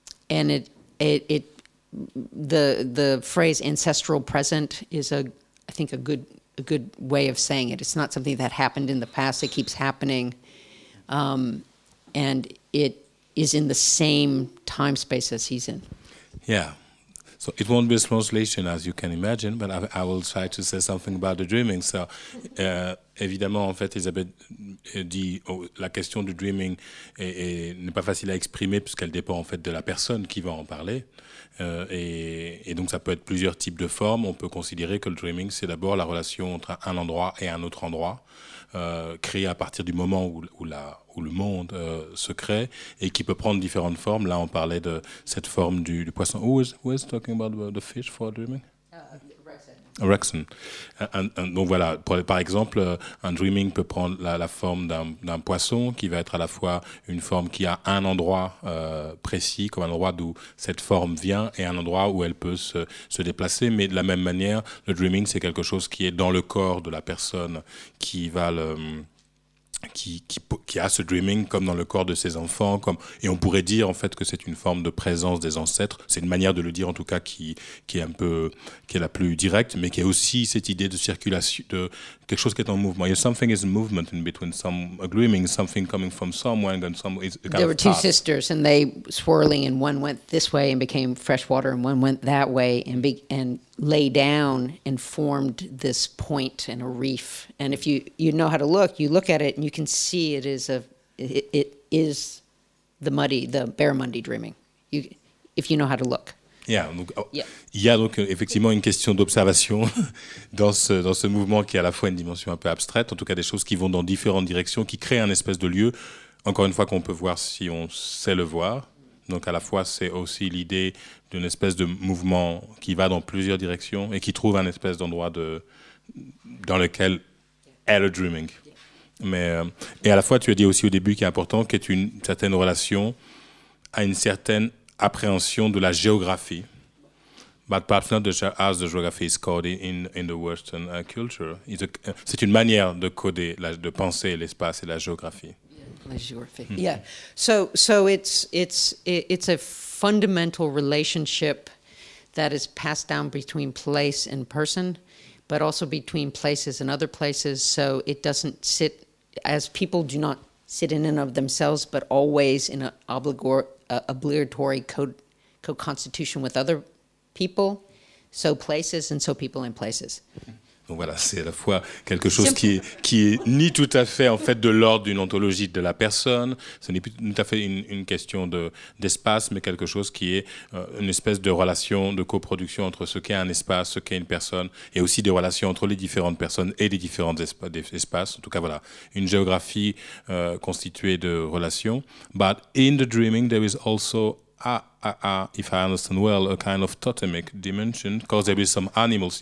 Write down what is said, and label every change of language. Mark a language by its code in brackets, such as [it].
[en] And the phrase ancestral present is I think a good way of saying it. It's not something that happened in the past. It keeps happening. And it is in the same time space as he's in. Yeah, so it won't be a translation as you can imagine, but I will try to say something about the dreaming. [fr] So, évidemment, en fait, Elisabeth dit la question du dreaming n'est pas facile à exprimer puisqu'elle dépend en fait de la personne qui va en parler. Et donc ça peut être plusieurs types de formes. On peut considérer que le dreaming, c'est d'abord la relation entre un endroit et un autre endroit, créée à partir du moment où le monde se crée et qui peut prendre différentes formes. Là, on parlait de cette forme du poisson. [en] Who is talking about the fish for dreaming? Rexon. [fr] Donc voilà, par exemple, un dreaming peut prendre la forme d'un poisson qui va être à la fois une forme qui a un endroit précis, comme un endroit d'où cette forme vient, et un endroit où elle peut se déplacer. Mais de la même manière, le dreaming, c'est quelque chose qui est dans le corps de la personne qui va le... Qui, qui, qui a ce dreaming comme dans le corps de ses enfants, comme, et on pourrait dire en fait que c'est une forme de présence des ancêtres, c'est une manière de le dire en tout cas qui est un peu, qui est la plus directe, mais qui est aussi cette idée de circulation, de quelque chose qui est en mouvement. [en] Yeah, something is a movement in between some a dreaming, something coming from someone and some is a kind There were of two sisters and they swirling and one went this way and became fresh water and one went that way and be, and lay down and formed this point in a reef. And if you, you know how to look, you look at it and you can see it is a, it is the muddy, the Barramundi dreaming. You, if you know how to look. [fr] Yeah, donc, yeah. Il y a donc effectivement une question d'observation dans ce mouvement qui a à la fois une dimension un peu abstraite, en tout cas des choses qui vont dans différentes directions, qui créent un espèce de lieu, encore une fois qu'on peut voir si on sait le voir. Donc à la fois c'est aussi l'idée d'une espèce de mouvement qui va dans plusieurs directions et qui trouve un espèce d'endroit de, dans lequel est le dreaming. Mais, et à la fois tu as dit aussi au début qu'il est important qu'il y ait une certaine relation à une certaine appréhension de la géographie. [en] But perhaps not the, as the geography is coded in the Western culture. It's a, [fr] c'est une manière de coder, la, de penser l'espace et la géographie. [en] Yeah, so it's a fundamental relationship that is passed down between place and person, but also between places and other places. So it doesn't sit as people do not sit in and of themselves, but always in an obligatory co-constitution with other people. So places and so people in places. [fr] Donc voilà, c'est à la fois quelque chose qui est ni tout à fait en fait de l'ordre d'une ontologie de la personne, ce n'est plus tout à fait une question de, d'espace, mais quelque chose qui est une espèce de relation de coproduction entre ce qu'est un espace, ce qu'est une personne, et aussi des relations entre les différentes personnes et les différents espaces. En tout cas, voilà, une géographie constituée de relations. [en] But in the dreaming, there is also if I understand well, a kind of totemic dimension, because there is some animals.